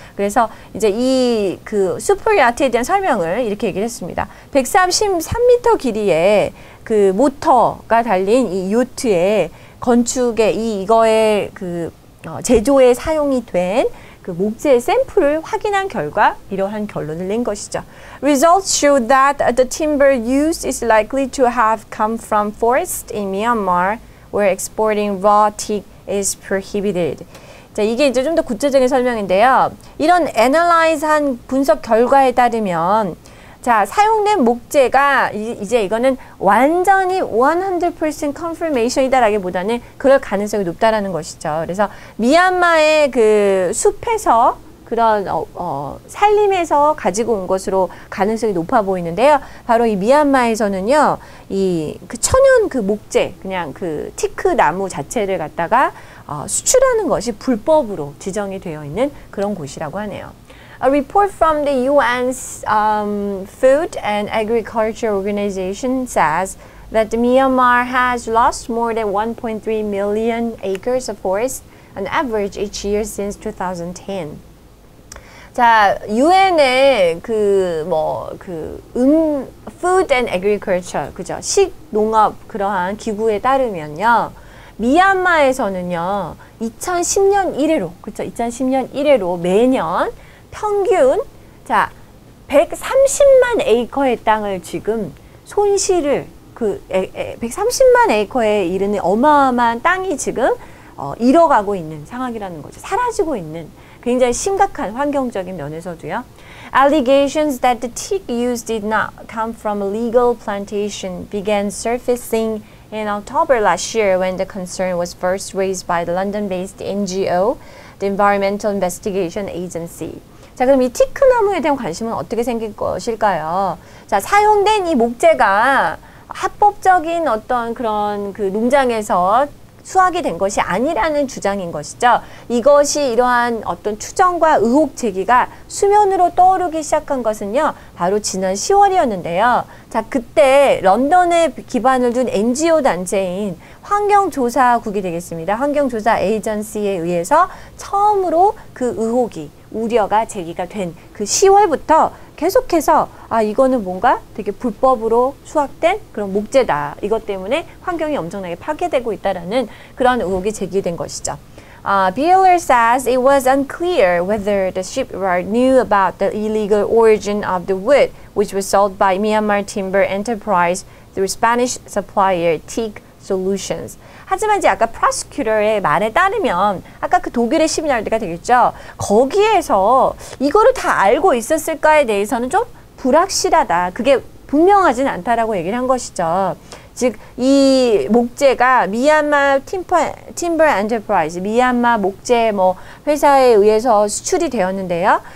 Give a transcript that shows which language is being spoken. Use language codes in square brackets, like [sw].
[ko] 그래서 이제 이그 슈퍼 야트에 대한 설명을 이렇게 얘기를 했습니다. 133m 길이의 그 모터가 달린 이 요트의 건축에 이거의 그 제조에 사용이 된그 목재 샘플을 확인한 결과 이러한 결론을 낸 것이죠. [en] Results show that the timber used is likely to have come from forests in Myanmar, where exporting raw teak is prohibited. [ko] 자, 이게 이제 좀더 구체적인 설명인데요. 이런 애널라이즈한 분석 결과에 따르면 자, 사용된 목재가 이제 이거는 완전히 100% confirmation이다라기보다는 그럴 가능성이 높다라는 것이죠. 그래서 미얀마의 그 숲에서 그런 산림에서 가지고 온 것으로 가능성이 높아 보이는데요. 바로 이 미얀마에서는요. 이그 천연 그 목재, 그냥 그 티크 나무 자체를 갖다가 수출하는 것이 불법으로 지정이 되어 있는 그런 곳이라고 하네요. [en] A report from the UN's Food and Agriculture Organization says that Myanmar has lost more than 1.3 million acres of forest on average each year since 2010. [ko] 자, UN의 그 뭐 그 [en] food and agriculture [ko] 그죠? 식 농업 그러한 기구에 따르면요. 미얀마에서는요. 2010년 이래로 그죠? 2010년 이래로 매년 평균 자, 130만 에이커의 땅을 지금 손실을 그 130만 에이커에 이르는 어마어마한 땅이 지금 잃어가고 있는 상황이라는 거죠. 사라지고 있는 굉장히 심각한 환경적인 면에서도요. [en] Allegations that the teak use did not come from a legal plantation began surfacing in October last year when the concern was first raised by the London-based NGO, the Environmental Investigation Agency. [ko] 자, 그럼 이 티크나무에 대한 관심은 어떻게 생길 것일까요? 자, 사용된 이 목재가 합법적인 어떤 그런 그 농장에서 수확이 된 것이 아니라는 주장인 것이죠. 이것이 이러한 어떤 추정과 의혹 제기가 수면으로 떠오르기 시작한 것은요. 바로 지난 10월이었는데요. 자, 그때 런던에 기반을 둔 NGO 단체인 환경조사국이 되겠습니다. 환경조사 에이전시에 의해서 처음으로 그 의혹이 우려가 제기가 된 그 10월부터 계속해서 아 이거는 뭔가 되게 불법으로 수확된 그런 목재다. 이것 때문에 환경이 엄청나게 파괴되고 있다라는 그런 의혹이 제기된 것이죠. [en] Beeler says it was unclear whether the shipyard knew about the illegal origin of the wood which was sold by Myanmar Timber Enterprise through Spanish supplier Teak Solutions. [ko] 하지만 이제 아까 프로스큐터의 말에 따르면 아까 그 독일의 시민아르드가 되겠죠. 거기에서 이거를 다 알고 있었을까에 대해서는 좀 불확실하다. 그게 분명하진 않다라고 얘기를 한 것이죠. 즉 이 목재가 미얀마 팀버 엔터프라이즈 미얀마 목재 뭐 회사에 의해서 수출이 되었는데요.